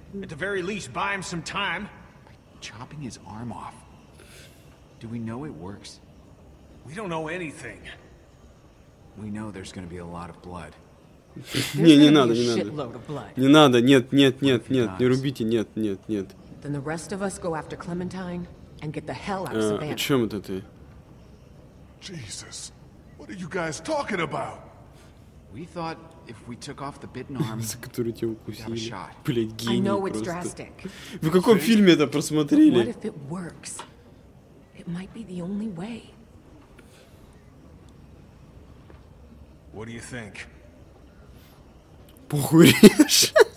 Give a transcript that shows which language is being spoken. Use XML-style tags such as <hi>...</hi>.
<en>At the very least, buy him some time. Chopping his arm off. Do we know it works? We don't know anything. We know there's gonna be a lot of blood.</en> <ru>Не, не надо, не надо. Не надо, нет, не рубите, нет.</ru> <en>Then the rest of us go after Clementine and get the hell out of Savannah.</en> <ru>О чем это ты?</ru> <en>Jesus, what are you guys talking about? We thought if we took off the bitten arm,</en> <ru>за который тебя укусили.</ru> <en>Shot.</en> <ru>Блять, гений.</ru> <en>I know it's drastic.</en> <ru>Вы в каком фильме это просмотрели?</ru> <en>What if it works? It might be the only way. What do you think?</en> <ru>Похуй режь.</ru>